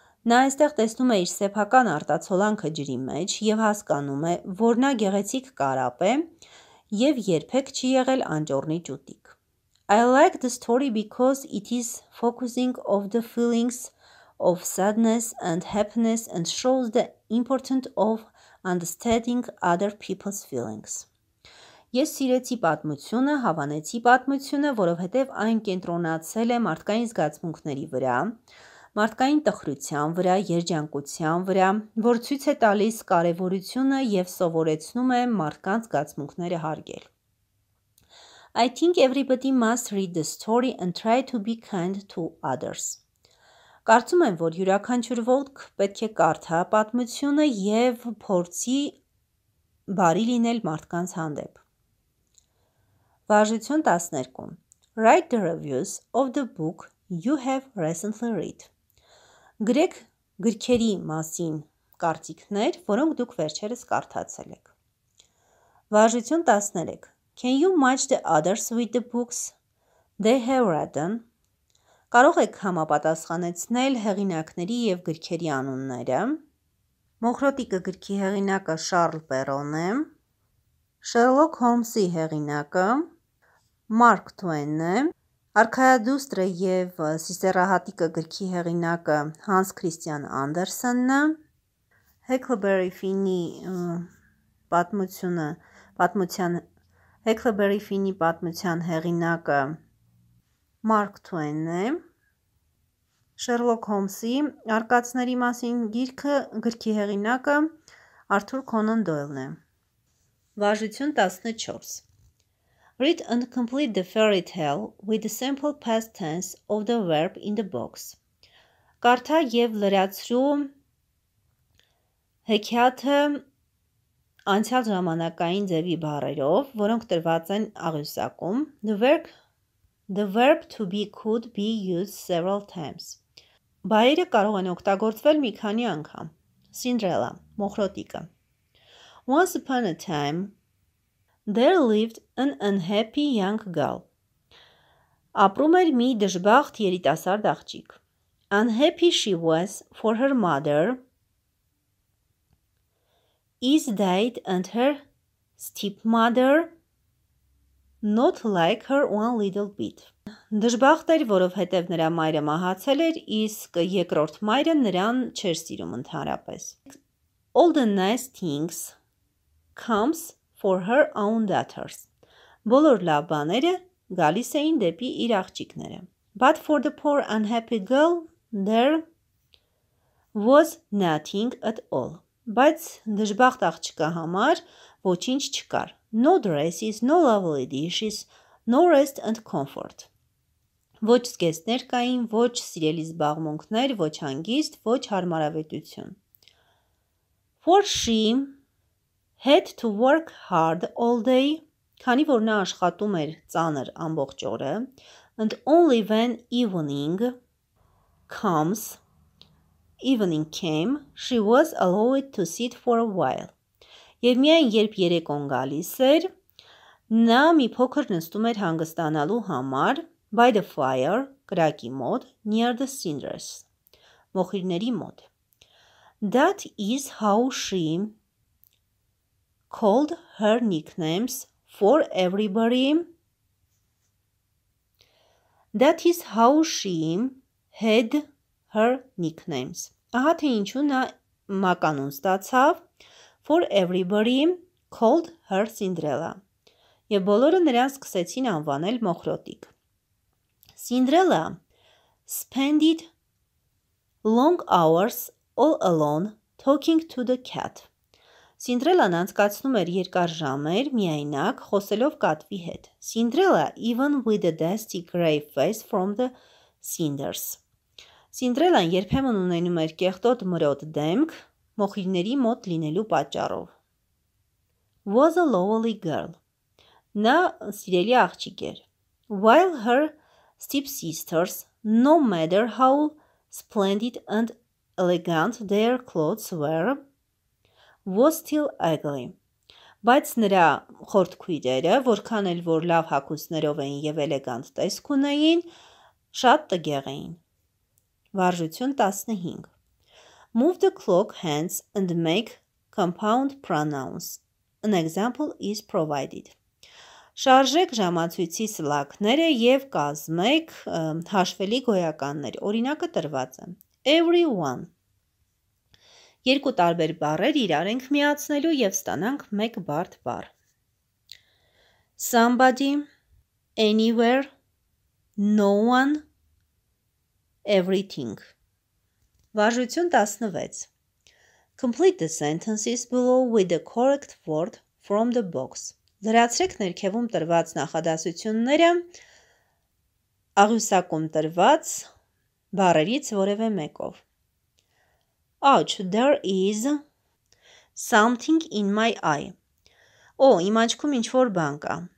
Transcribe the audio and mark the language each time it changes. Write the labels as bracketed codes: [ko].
[hy] Նա այստեղ տեսնում է իր սեփական արտացոլանքը ջրի մեջ և հասկանում է, որ նա գեղեցիկ կարապ է և երբեք չի եղել անջորնի ճուտիկ. [en] I like the story because it is focusing on the feelings of sadness and happiness and shows the importance of understanding other people's feelings. [hy] Ես սիրեցի պատմությունը, հավանեցի պատմությունը, որովհետև այն կենտրոնացել է մարդկային զգացմունքների վրա, մարդկային տխրության վրա, երջանկության վրա, որ ցույց է տալիս կարևորությունը և սովորեցնում է մարդկանց զգացմունքները հարգել. [en] I think everybody must read the story and try to be kind to others. [hy] Կարծում եմ, որ յուրաքանչյուր ոտք պետք է կարդա պատմությունը և փորձի բարի լինել մարդկանց հանդեպ. Վարժություն 12. [en] Write the reviews of the book you have recently read. [hy] Գրեք գրքերի մասին կարծիքներ, որոնք դուք վերջերս կարդացել եք. Վարժություն 13. [en] Can you match the others with the books they have read them? [hy] Կարող եք համապատասխանեցնել հեղինակների և գրքերի անունները. Մոխրոտիկը գրքի հեղինակը Շառլ Պերոն է, Sherlock Holmes-ի հեղինակը Mark Twain-ը, Արքայադուստրը եւ Սիսեռահատիկը գրքի հեղինակը Hans Christian Andersen-ը, Huckleberry Finn-ի պատմությունը, Huckleberry Finn-ի պատմության հեղինակը Mark Twain-ը, Sherlock Holmes-ի արկածների մասին գիրքը գրքի հեղինակը Arthur Conan Doyle-ն է։ Վարժություն 14. [en] Read and complete the fairy tale with the simple past tense of the verb in the box. [hy] Կարդա եւ լրացրու հեքիաթը անցյալ ժամանակային ձևի բառերով, որոնք տրված են աղյուսակում. [en] The verb to be could be used several times. [hy] Բայերը կարող են օգտագործվել մի քանի անգամ. Cinderella, մոխրոտիկը. [en] Once upon a time, there lived an unhappy young girl. [hy] Ապրում էր մի դժբախտ երիտասարդ աղջիկ. [en] Unhappy she was, for her mother is dead and her stepmother not like her one little bit. [hy] Դժբախտ էր, որովհետև նրա մայրը մահացել էր, իսկ երկրորդ մայրը նրան չէր սիրում ընդհանրապես. [en] All the nice things comes for her own daughters. [hy] Բոլոր լավ բաները գալիս էին դեպի իր աղջիկները. [en] But for the poor unhappy girl, there was nothing at all. [hy] Բայց դժբախտ աղջիկը համար ոչինչ չկար. [en] No dresses, no lovely dishes, no rest and comfort. [hy] Ոչ զգեստներ կային, ոչ սիրելի զբաղմունքներ, ոչ հանգիստ, ոչ հարմարավետություն. [en] For she had to work hard all day, [hy] քանի որ նա աշխատում էր ծանր ամբողջ օրը, [en] and only when evening comes, evening came, she was allowed to sit for a while. [hy] Եվ միայն երբ երեկոն գալիս էր, նա մի փոքր նստում էր հանգստանալու համար, [en] by the fire, [hy] կրակի մոտ, [en] near the cinders, [hy] մոխիրների մոտ. [en] That is how she called her nicknames for everybody. That is how she had her nicknames. [hy] Ահա թե ինչու նա մականուն ստացավ. [en] For everybody called her Cinderella. [hy] Եվ բոլորը նրան սկսեցին անվանել Մոխրոտիկ. [en] Cinderella spent long hours all alone talking to the cat. [hy] Cinderella-ն անցկացնում էր երկար ժամեր միայնակ խոսելով կատվի հետ. [en] Cinderella, even with a dusty gray face from the cinders. [hy] Cinderella-ն երբեմն ունենում էր կեղտոտ մրոտ դեմք մոխիրների մոտ լինելու պատճառով. [en] Was a lovely girl. [hy] Նա սիրելի աղջիկ էր. [en] While her stepsisters, no matter how splendid and elegant their clothes were, was still ugly. [hy] Բայց նրա խորտ քույրերը, որքան էլ որ լավ հագուստներով էին եւ էլեգանտ տեսք ունեին, շատ տգեղ էին. Վարժություն 15. [en] Move the clock hands and make compound pronouns. An example is provided. [hy] Շարժեք ժամացույցի սլակները եւ կազմեք հաշվելի գոյականներ։ Օրինակը տրված է. [en] Everyone. [hy] Երկու տարբեր բառեր իրար ենք միացնելու եւ ստանանք մեկ բարդ բառ։ [en] Somebody, anywhere, no one, everything. [hy] Վարժություն 16. [en] Complete the sentences below with the correct word from the box. [hy] Լրացրեք ներքևում տրված նախադասությունները աղյուսակում տրված բառերից որևէ մեկով։ [en] Ouch, there is something in my eye. [hy] Օ, իմ աչքում ինչ-որ բան կա։